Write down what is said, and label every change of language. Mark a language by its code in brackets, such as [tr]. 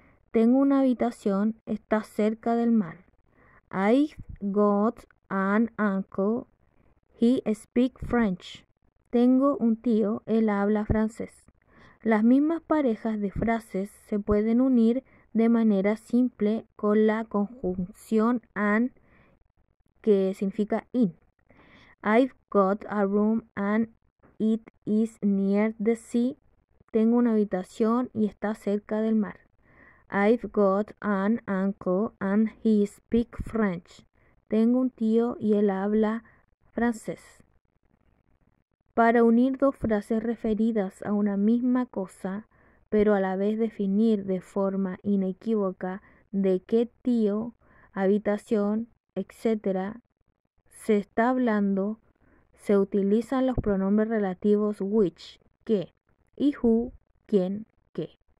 [es] Tengo una habitación, está cerca del mar. [en] I've got an uncle. He speaks French. [es] Tengo un tío, él habla francés. Las mismas parejas de frases se pueden unir de manera simple con la conjunción an, que significa in. [en] I've got a room and it is near the sea. [es] Tengo una habitación y está cerca del mar. [en] I've got an uncle and he speaks French. [es] Tengo un tío y él habla francés. Para unir dos frases referidas a una misma cosa, pero a la vez definir de forma inequívoca de qué tío, habitación, etc. se está hablando, se utilizan los pronombres relativos which, qué, y who, quién, qué.